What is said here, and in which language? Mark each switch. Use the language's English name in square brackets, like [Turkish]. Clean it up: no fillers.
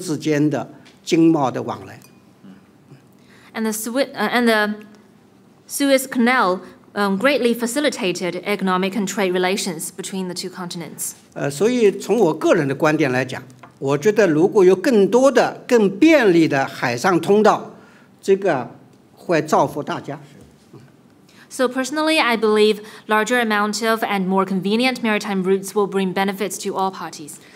[Chinese] 那么苏伊士运河建成以后呢，就大大的方便了这个州与州之间的经贸的往来。 [English] And the Suez Canal greatly facilitated economic and trade relations between the two continents. [Chinese] 所以从我个人的观点来讲，我觉得如果有更多的、更便利的海上通道，这个会造福大家。 [English] So personally, I believe larger amount of and more convenient maritime routes will bring benefits to all parties.